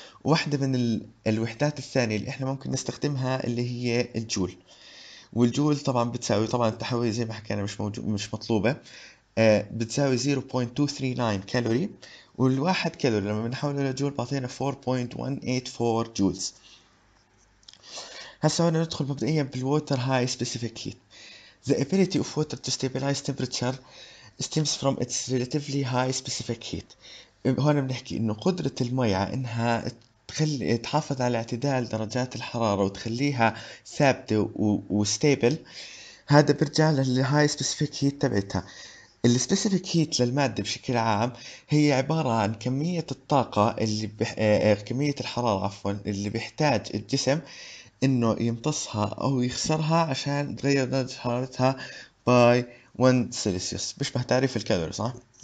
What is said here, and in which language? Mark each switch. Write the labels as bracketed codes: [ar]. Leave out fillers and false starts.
[ar] واحدة من الوحدات الثانية اللي احنا ممكن نستخدمها اللي هي الجول، والجول طبعا بتساوي، طبعا التحويل زي ما حكينا مش موجود مش مطلوبة، بتساوي 0.239 كالوري، والواحد كالوري لما بنحوله لجول بعطينا 4.184 جولز. هسا هون ندخل مبدئيا بالووتر هاي سبيسيفيك هيت. [en] The ability of water to stabilize temperature stems from its relatively high specific heat. [ar] هون بنحكي انه قدرة المي على انها تحافظ على اعتدال درجات الحرارة وتخليها ثابتة وستيبل، هذا بيرجع للهاي سبيسيفيك هيت تبعتها. السبيسيفيك هيت للمادة بشكل عام هي عبارة عن كمية الطاقة اللي كمية الحرارة عفوا اللي بيحتاج الجسم انه يمتصها او يخسرها عشان تغير درجة حرارتها باي 1 سلسيوس، بيشبه تعريف الكالوري صح؟